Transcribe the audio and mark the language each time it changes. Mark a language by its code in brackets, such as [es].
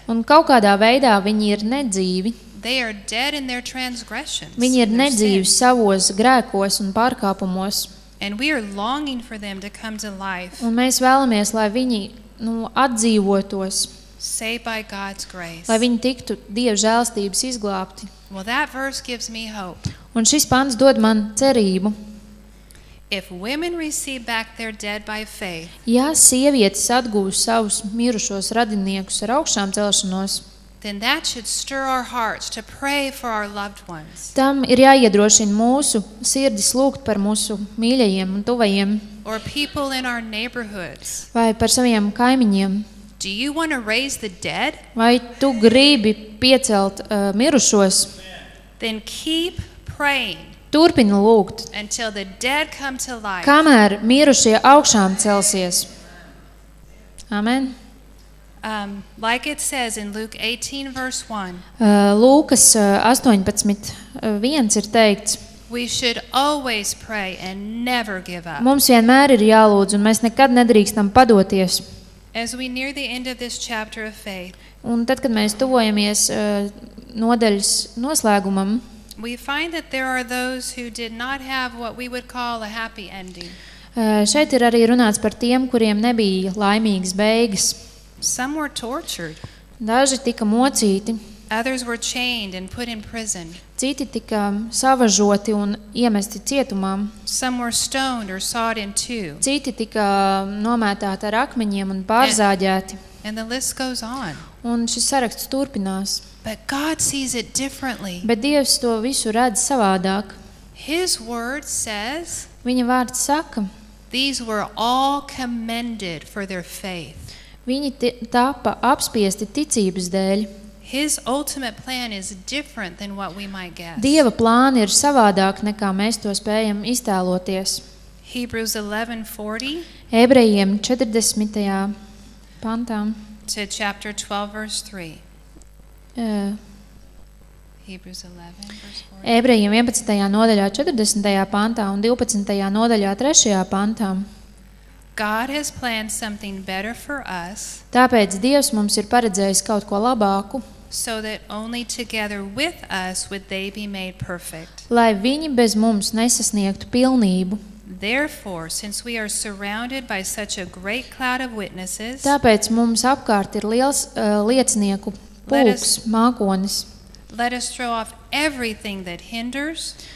[lv] Un kaut kādā veidā viņi ir nedzīvi. [en] They are dead in their transgressions. [lv] Viņi ir nedzīvi savos grēkos un pārkāpumos. [en] And we are longing for them to come to life. [lv] Un mēs vēlamies, lai viņi, nu, atdzīvotos. [en] Saved by God's grace. [lv] Lai viņi tiktu Dieva žēlstības izglābti. [en] Well, that verse gives me hope. [lv] Un šis pants dod man cerību. [en] If women receive back their dead by faith. [lv] Ja sievietes atgūst savus mirušos radiniekus ar augšām celšanos. [en] Then that should stir our hearts to pray for our loved ones. [lv] Tam ir jāiedrošina mūsu sirdis lūgt par mūsu mīļajiem un tuvajiem. [en] Or people in our neighborhoods. [lv] Vai par saviem kaimiņiem. [en] Do you want to raise the dead? [lv] Vai tu gribi piecelt mirušos? [en] Then keep praying. [lv] Turpini lūgt. [en] Until the dead come to life. [lv] Kamēr mirušie augšām celsies. [en] Amen. Like it says in Luke 18 verse 1. [lv] Lūkas 18:1 ir teikts. [en] We should always pray and never give up. [lv] Mums vienmēr ir jālūdz un mēs nekad nedrīkstam padoties. [en] As we near the end of this chapter of faith. [lv] Un tad kad mēs tuvojamies nodaļas noslēgumam, [en] we find that there are those who did not have what we would call a happy ending. [lv] Šeit ir arī runāts par tiem, kuriem nebija laimīgas beigas. [en] Some were tortured. [lv] Daži tika mocīti. [en] Others were chained and put in prison. [lv] Citi tika savažoti un iemesti cietumā. [en] Some were stoned or sawed in two. [lv] Citi tika nomētāti ar akmeņiem un pārzāģēti. [en] And the list goes on. [lv] Un šis saraksts turpinās. [en] But God sees it differently. [lv] Bet Dievs to visu redz savādāk. [en] His word says. [lv] Viņa vārds saka. [en] These were all commended for their faith. [lv] Viņi tapa apspiesti ticības dēļ. [en] His ultimate plan is different than what we might guess. [lv] Dieva plāni ir savādāk nekā mēs to spējam iztēloties. [en] Hebrews 11:40. [lv] Ebrejiem 40. Pantā. [en] To chapter 12 verse 3. Hebrews 11:40. [lv] Ebrejiem 11. Nodaļā 40. Pantā un 12. Nodaļā 3. Pantā. [en] God has planned something better for us. [lv] Tāpēc Dievs mums ir paredzējis kaut ko labāku. [en] So that only together with us would they be made perfect. [lv] Lai viņi bez mums nesasniegtu pilnību. [en] Therefore, since we are surrounded by such a great cloud of witnesses. [lv] Tāpēc mums apkārt ir liels liecinieku pulks, mākonis. [en] Let us throw off everything that hinders.